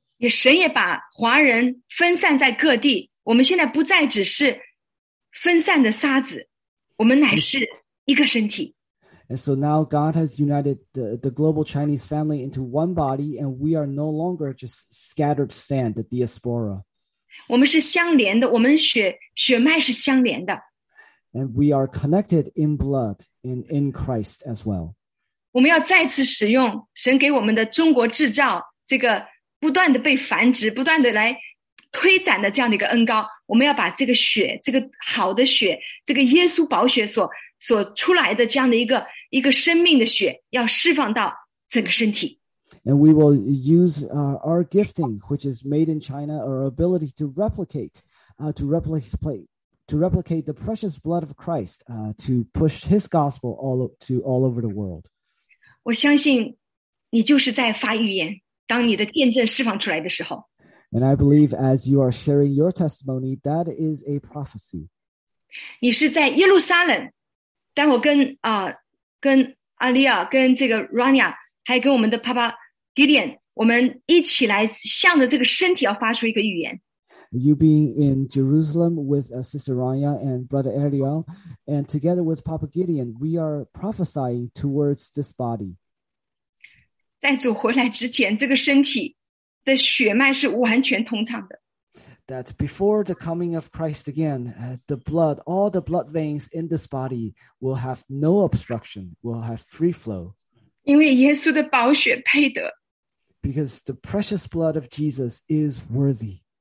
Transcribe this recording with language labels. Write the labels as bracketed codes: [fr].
[zh] 神也把华人分散在各地，我们现在不再只是分散的沙子，我们乃是一个身体。 [en] And so now God has united the global Chinese family into one body, and we are no longer just scattered sand, the diaspora. [zh] 我们是相连的，我们血脉是相连的。 [en] And we are connected in blood, in Christ as well. [zh] 我们要再次使用神给我们的中国制造这个不断的被繁殖、不断的来推展的这样的一个恩膏。我们要把这个血、这个好的血、这个耶稣宝血所出来的这样的一个生命的血，要释放到整个身体。 [en] And we will use our gifting, which is made in China, our ability to replicate, to replicate the precious blood of Christ, to push his gospel all over the world. [zh] 我相信你就是在发预言，当你的见证释放出来的时候。 [en] And I believe as you are sharing your testimony, that is a prophecy. [zh] 你是在耶路撒冷，待会跟阿利亚，跟这个 Rania, 还有跟我们的 Papa Gideon, 我们一起来向着这个身体要发出一个预言。 [en] You being in Jerusalem with Sister Rania and Brother Ariel, and together with Papa Gideon, we are prophesying towards this body. [zh] 在主回来之前，这个身体的血脉是完全通畅的。 [en] That before the coming of Christ again, the blood, all the blood veins in this body will have no obstruction, will have free flow. [zh] 因为耶稣的宝血配得。 [en] Because the precious blood of Jesus is worthy.